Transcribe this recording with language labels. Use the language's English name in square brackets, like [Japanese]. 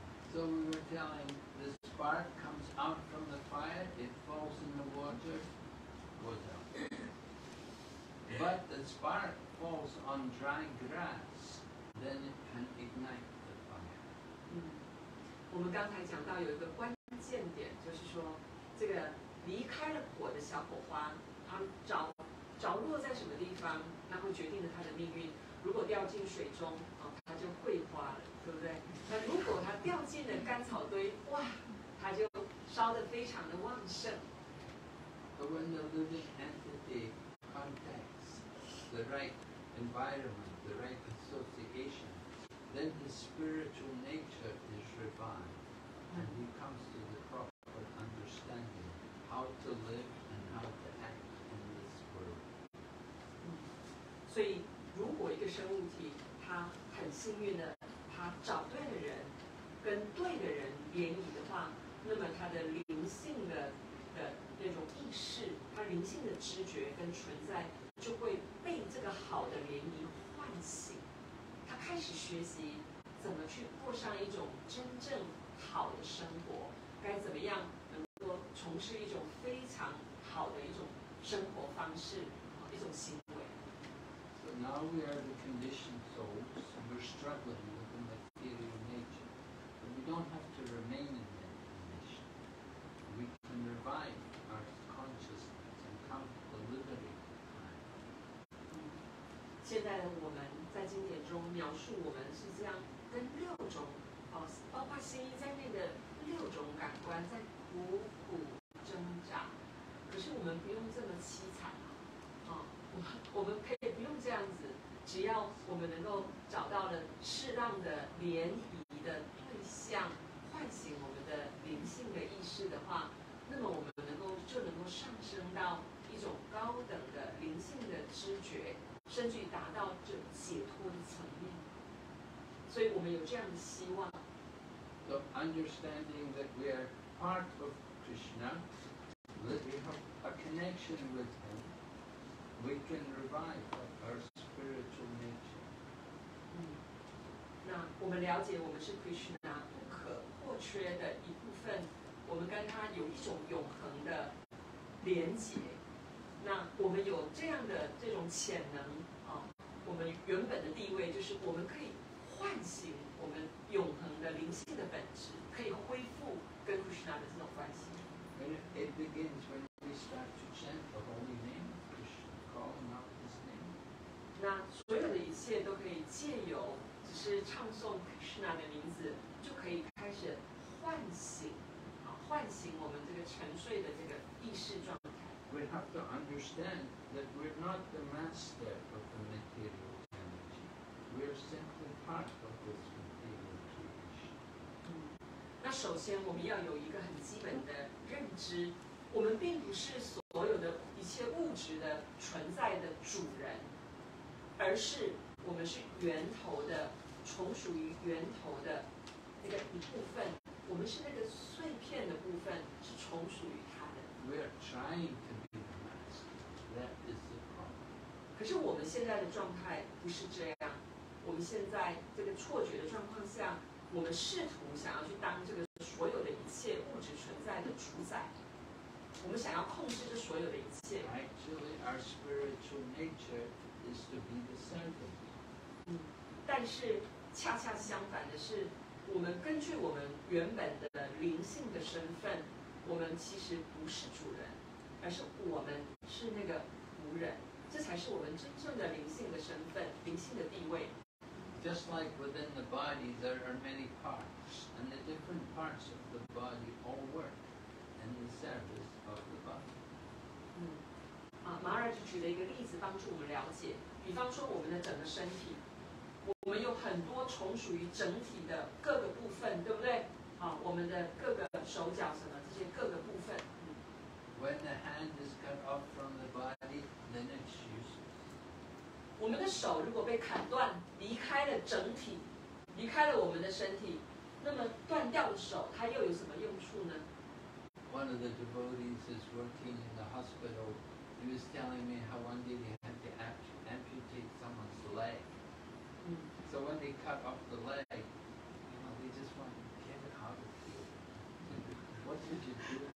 [English] So we were telling the spark comes out from the fire, it falls in the water, goes out. But the spark falls on dry grass, then it can ignite the fire. [Chinese] 我们刚才讲到有一个关键点就是说，这个离开了火的小火花，它着落在什么地方，然后决定了它的命运。如果掉进水中，它就会化了，对不对？那如果它掉进了干草堆，哇，它就烧得非常的旺盛。 [English] But when the living entity contacts the right environment, the right association, then the spiritual nature is revived. And he comes to the proper understanding how to live and how to act in this world. [Chinese] 所以，如果一个生物体它很幸运的，它找对的人，跟对的人联谊的话，那么它的灵性的那种意识，它灵性的知觉跟存在，就会被这个好的联谊唤醒。它开始学习怎么去过上一种真正。好的生活，该怎么样能够从事一种非常好的一种生活方式，一种行为。 [English] So now we are the conditioned souls, we're struggling with the material nature, but we don't have to remain in that condition. We can revive our consciousness and come to the liberating time. [Chinese] 现在的我们在经典中描述我们是这样，跟六种。包括心意在内的六种感官在苦苦挣扎，可是我们不用这么凄惨我们可以不用这样子，只要我们能够找到了适当的联谊的对象，唤醒我们的灵性的意识的话，那么我们就能够上升到一种高等的灵性的知觉，甚至达到这解脱的层面。所以我们有这样的希望。 [English] So understanding that we are part of Krishna, that we have a connection with Him, we can revive our spiritual nature. [Chinese] 那我们了解我们是 Krishna 不可或缺的一部分，我们跟他有一种永恒的连结。那我们有这样的这种潜能我们原本的地位就是我们可以。唤醒我们永恒的灵性的本质，可以恢复跟 Krishna 的这种关系。 [English] It begins when we start to chant the holy name, Krishna, calling out His name. [Chinese] 那所有的一切都可以借由只是唱诵 Krishna 的名字就可以开始唤醒唤醒我们这个沉睡的这个意识状态。 [English] We have to understand that we're not the master of the material energy. We're simply part of this material creation. [Chinese] 那首先我们要有一个很基本的认知，我们并不是所有的一切物质的存在的主人，而是我们是源头的，从属于源头的那个一部分，我们是那个碎片的部分，是从属于他的。 [English] We are trying to be the master. That is the problem. [Chinese] 可是我们现在的状态不是这样，我们现在这个错觉的状况下，我们试图想要去当这个所有的一切物质存在的主宰。我们想要控制这所有的一切。 [English] Actually, our spiritual nature is to be the servant. [Chinese] 但是恰恰相反的是，我们根据我们原本的灵性的身份，我们其实不是主人，而是我们是那个仆人。这才是我们真正的灵性的身份，灵性的地位。 [English] Just like within the body, there are many parts, and the different parts of the body all work. And the service of the body. [Chinese] 马尔就举了一个例子帮助我们了解，比方说我们的整个身体，我们有很多从属于整体的各个部分，对不对？我们的各个手脚什么这些各个部分。 [English] When the hand is cut off from the body, then it's useless. [Chinese] 我们的手如果被砍断，离开了整体，离开了我们的身体，那么断掉的手它又有什么用处呢？ [English] One of the devotees is working in the hospital. He was telling me how one day they had to amputate someone's leg. So when they cut off the leg, you know, they just want to get it out of here. What did you do?